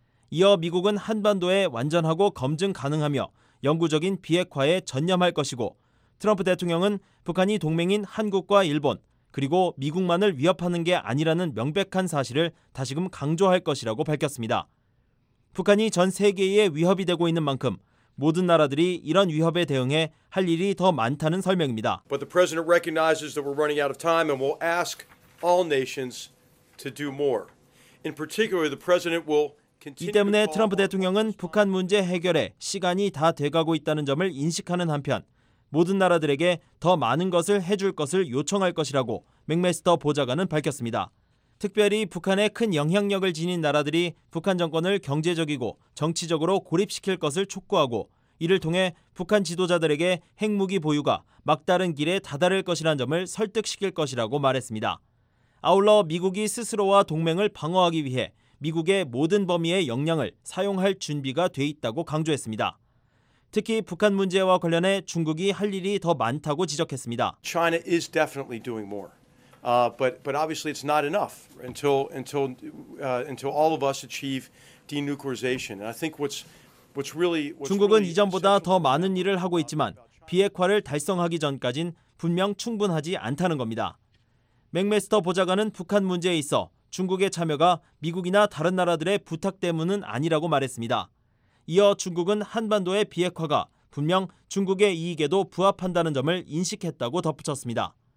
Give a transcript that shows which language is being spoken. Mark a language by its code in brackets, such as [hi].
[ko] 이어 미국은 한반도에 완전하고 검증 가능하며 영구적인 비핵화에 전념할 것이고 트럼프 대통령은 북한이 동맹인 한국과 일본 그리고 미국만을 위협하는 게 아니라는 명백한 사실을 다시금 강조할 것이라고 밝혔습니다. 북한이 전 세계에 위협이 되고 있는 만큼 모든 나라들이 이런 위협에 대응해 할 일이 더 많다는 설명입니다. [en] But the president recognizes that we're running out of time and will ask all nations to do more. In particular, the president will [ko] 이 때문에 트럼프 대통령은 북한 문제 해결에 시간이 다 돼가고 있다는 점을 인식하는 한편 모든 나라들에게 더 많은 것을 해줄 것을 요청할 것이라고 맥메스터 보좌관은 밝혔습니다. 특별히 북한에 큰 영향력을 지닌 나라들이 북한 정권을 경제적이고 정치적으로 고립시킬 것을 촉구하고 이를 통해 북한 지도자들에게 핵무기 보유가 막다른 길에 다다를 것이라는 점을 설득시킬 것이라고 말했습니다. 아울러 미국이 스스로와 동맹을 방어하기 위해 미국의 모든 범위의 역량을 사용할 준비가 돼 있다고 강조했습니다. 특히 북한 문제와 관련해 중국이 할 일이 더 많다고 지적했습니다. [en] China is definitely doing more. But obviously it's not enough until all of us achieve denuclearization. And I think what's really [ko] 중국은 이전보다 더 많은 일을 하고 있지만 비핵화를 달성하기 전까진 분명 충분하지 않다는 겁니다. 맥메스터 보좌관은 북한 문제에 있어 중국의 참여가 미국이나 다른 나라들의 부탁 때문은 아니라고 말했습니다. 이어 중국은 한반도의 비핵화가 분명 중국의 이익에도 부합한다는 점을 인식했다고 덧붙였습니다.